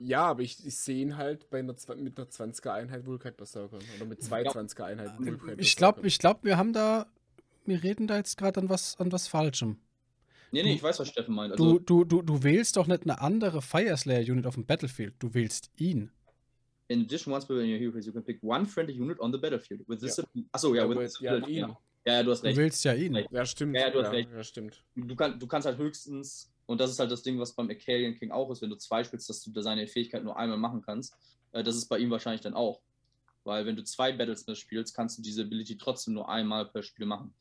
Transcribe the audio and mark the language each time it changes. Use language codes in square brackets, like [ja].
[de] Ja, aber ich sehe ihn halt mit einer 20er Einheit Vulkan Berserker oder mit zwei 20er Einheiten Vulkan Berserker. Ich glaube, wir reden da jetzt gerade an was Falschem. Nee, ich weiß, was Steffen meint. Also, du wählst doch nicht eine andere Fire Slayer Unit auf dem Battlefield, du wählst ihn. [en] In addition, once per when you're here, you can pick one friendly unit on the battlefield. With this, [de] du hast recht. Du willst ja ihn. Ja, stimmt. Ja, du hast recht. Du kannst halt höchstens, und das ist halt das Ding, was beim Akalian King auch ist, wenn du zwei spielst, dass du da seine Fähigkeit nur einmal machen kannst. Das ist bei ihm wahrscheinlich dann auch. Weil wenn du zwei Battlesmith spielst, kannst du diese Ability trotzdem nur einmal per Spiel machen.